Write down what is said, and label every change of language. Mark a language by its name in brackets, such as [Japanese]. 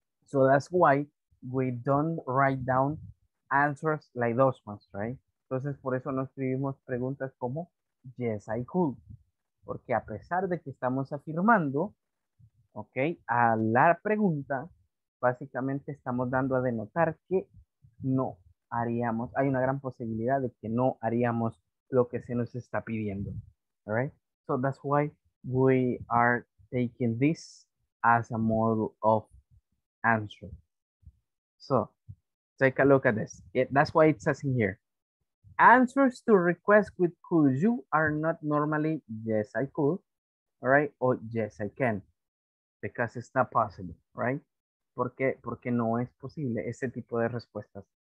[English] So that's why we don't write down answers like those ones, right? [Spanish] Entonces, por eso no escribimos preguntas como, [English] yes, I could. [Spanish] Porque a pesar de que estamos afirmando, ok, a la pregunta, básicamente estamos dando a denotar que no haríamos, hay una gran posibilidad de que no haríamos lo que se nos está pidiendo. [English] All right? So that's why we are taking this as a model of answer. So, take a look at this. That's why it says in here. Answers to requests with could you are not normally yes, I could, right? Or yes, I can, because it's not possible, right? [Spanish] Porque no es posible ese tipo de respuestas.